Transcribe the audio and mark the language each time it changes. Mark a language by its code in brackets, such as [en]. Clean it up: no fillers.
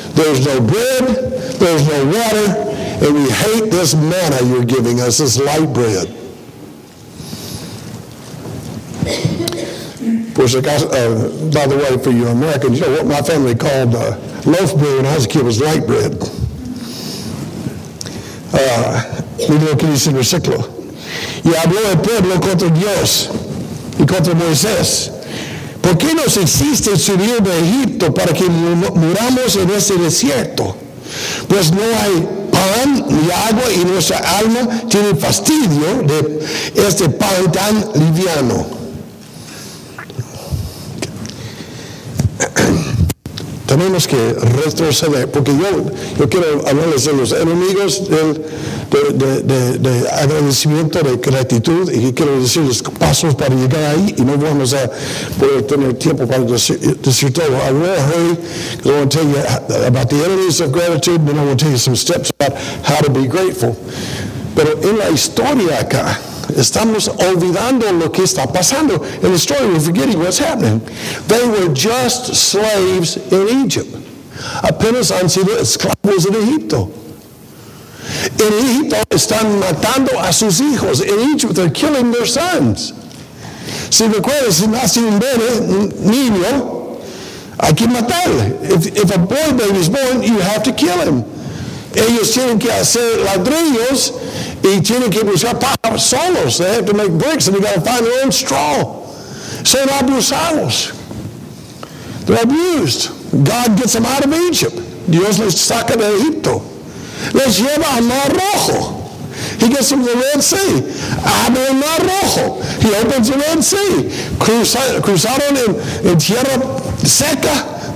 [en] There's no bread, there's no water, and we hate this manna you're giving us, this light bread. By the way, for you Americans, you know what my family called loaf bread when I was a kid was light bread. [es] Mira lo que dice el versículo. Y habló el pueblo contra Dios y contra Moisés. ¿Por qué nos hiciste subir de Egipto para que muramos en ese desierto? Pues no hay pan ni agua y nuestra alma tiene fastidio de este pan tan liviano. Tenemos que retroceder, porque yo quiero hablarles de los enemigos de agradecimiento, de gratitud, y quiero decirles pasos para llegar ahí, y no vamos a poder tener tiempo para decir todo. [en] I will hurry, because I want to tell you about the enemies of gratitude, and then I want to tell you some steps about how to be grateful. [es] Pero en la historia acá, estamos olvidando lo que está pasando. [en] In the story, we're forgetting what's happening. They were just slaves in Egypt. [es] Apenas han sido esclavos en Egipto. En Egipto están matando a sus hijos. [en] In Egypt, they're killing their sons. [es] Si recuerdas, si nace un bebé, niño, hay que matarle. [en] If a boy baby is born, you have to kill him. [es] Ellos tienen que hacer ladrillos y tienen que buscar paja solos. [en] They have to make bricks and they got to find their own straw. [es] Son abusados. [en] They're abused. God gets them out of Egypt. [es] Dios les saca de Egipto. Les lleva al Mar Rojo. [en] He gets them to the Red Sea. [es] Abre el Mar Rojo. [en] He opens the Red Sea. [es] Cruzaron en tierra seca.